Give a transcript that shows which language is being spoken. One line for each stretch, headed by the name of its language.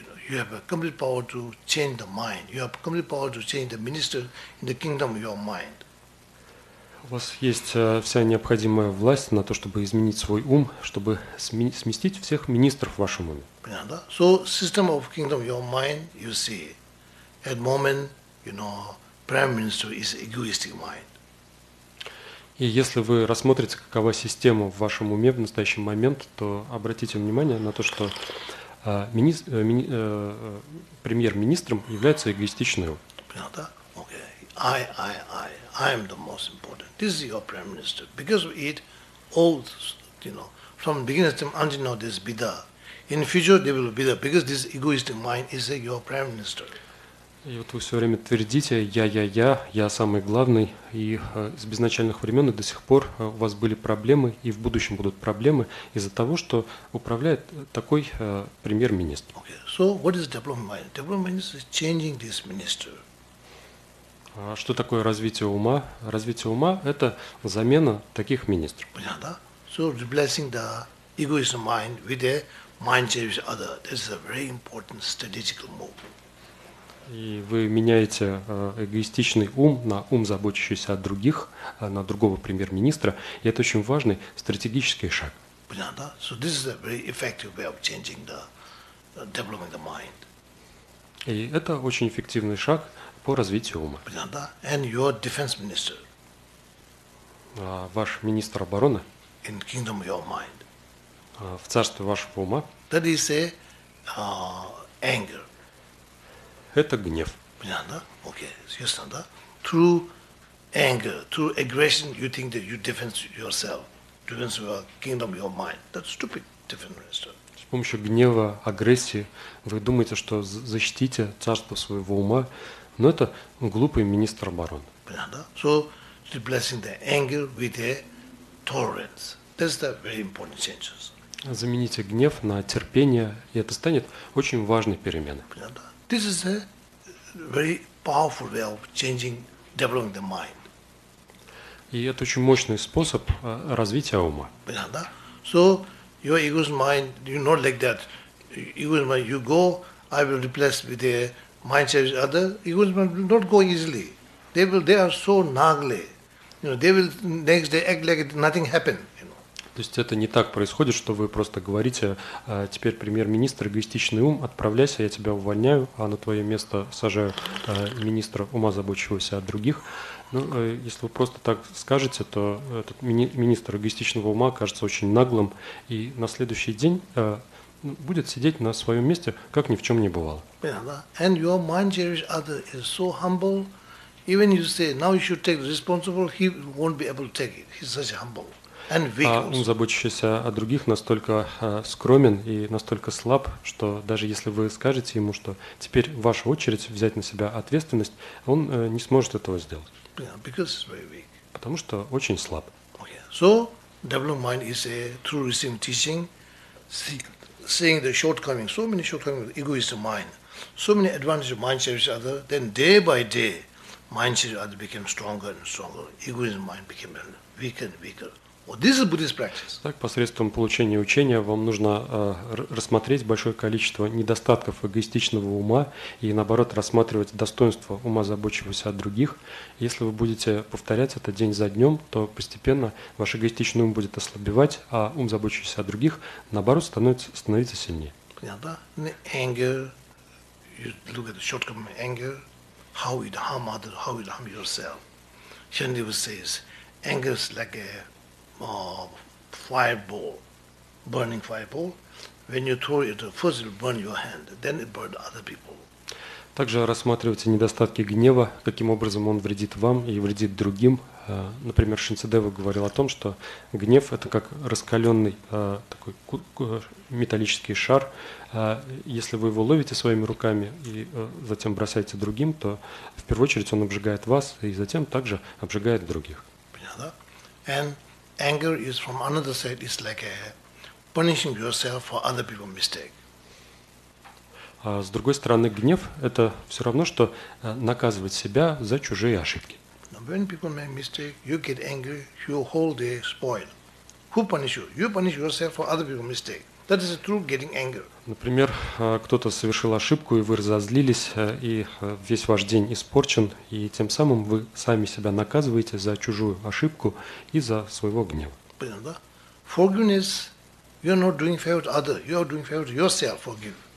English: You have a complete power to change the mind. You have complete power to change the minister in the kingdom of your mind.
Russian: У вас есть вся необходимая власть на то, чтобы изменить свой ум, чтобы сместить всех министров в вашем уме. Понятно?
English: So system of kingdom of your mind, you see, at the moment, you know, prime minister is egoistic mind.
Russian: И если вы рассмотрите, какова система в вашем уме в настоящий момент, то обратите внимание на то, что премьер-министром является эгоистичный ум. Понятно?
English: Okay. I am the most important. This is your prime minister. Because of it, all, you know, from the beginning of time until now, there's Bida. In future, there will be Bida, because this egoistic mind is your prime minister.
Russian: И вот вы все время твердите «я самый главный», и с безначальных времен и до сих пор у вас были проблемы, и в будущем будут проблемы из-за того, что управляет такой премьер-министр.
English: Okay. So what is development mind? Development mind is changing this minister.
Russian: Что такое развитие ума? Развитие ума – это замена таких министров. Понятно?
English: So replacing the egoist mind with a mind change other. This is a very important strategic move.
Russian: И вы меняете эгоистичный ум на ум, заботящийся о других, на другого премьер-министра. И это очень важный стратегический шаг. Понятно?
English: So this is a very effective way of changing the development of the mind.
Russian: И это очень эффективный шаг по развитию ума. Понятно?
English: And your defense minister.
Russian: Ваш министр обороны.
English: In kingdom of your mind.
Russian: В царстве вашего ума.
English: That is a anger.
Russian: Это гнев. Понятно? Okay. Ясно, да?
English: Through anger, through aggression, you think that you defend yourself, defend your kingdom, your mind. That's stupid, defense minister.
Russian: С помощью гнева, агрессии, вы думаете, что защитите царство своего ума, но это глупый министр обороны. Понятно?
English: So, replacing the anger with a tolerance. That's the very important changes.
Russian: Замените гнев на терпение, и это станет очень важной переменой. Понятно?
English: This is a very powerful way of changing, developing the mind.
Russian: И это очень мощный способ развития ума. Понятно?
English: So your ego's mind, you not like that. Ego's mind, you go, I will replace with a mind change other. Ego's mind will not go easily. They are so nagly. You know, they will next day act like nothing happened.
Russian: То есть это не так происходит, что вы просто говорите, теперь премьер-министр, эгоистичный ум, отправляйся, я тебя увольняю, а на твое место сажаю министра ума, заботящегося о других. Ну, если вы просто так скажете, то этот министр эгоистичного ума кажется очень наглым и на следующий день будет сидеть на своем месте, как ни в чем не бывало.
English: And your mind, cherish other, is so humble, even you say, now you should take the responsible, he won't be able to take it, he's such humble. And
Russian: а ум, заботящийся о других, настолько скромен и настолько слаб, что даже если вы скажете ему, что теперь ваша очередь взять на себя ответственность, он не сможет этого сделать.
English: Yeah, because it's very weak.
Russian: Потому что очень слаб.
English: Okay. So, developing mind is a true wisdom teaching, seeing the shortcomings, so many shortcomings, egoistic mind, so many advantages of mind sharing with other, then day by day, mind sharing with other became stronger and stronger, egoistic mind became weaker and weaker. This is Buddhist practice.
Russian: Так, посредством получения учения вам нужно рассмотреть большое количество недостатков эгоистичного ума и, наоборот, рассматривать достоинство ума, заботящегося о других. Если вы будете повторять это день за днем, то постепенно ваш эгоистичный ум будет ослабевать, а ум, заботящийся о других, наоборот, становится сильнее. Понятно?
English: And anger, you look at the shortcoming anger, how it harm others, how it harm yourself. Shandiva says, anger is like a fireball, burning fireball. When you throw it, first it will burn your hand, then it burns other people.
Russian: Также рассматривайте недостатки гнева, каким образом он вредит вам и вредит другим. Например, Шинцедева говорил о том, что гнев – это как раскаленный такой металлический шар. Если вы его ловите своими руками и затем бросаете другим, то в первую очередь он обжигает вас и затем также обжигает других. Понятно?
English: And anger is from another side. It's like a punishing yourself for other people's mistake.
Russian: С другой стороны, гнев – это все равно, что наказывать себя за чужие ошибки.
English: No, When people make mistake, you get angry, your whole day spoiled. Who punish you? You punish yourself for other people's mistake. That is a true getting angry.
Russian: Например, кто-то совершил ошибку, и вы разозлились, и весь ваш день испорчен, и тем самым вы сами себя наказываете за чужую ошибку и за своего гнева.
English: Forgiveness, you're not doing favor to other, you're doing favor to yourself, forgive.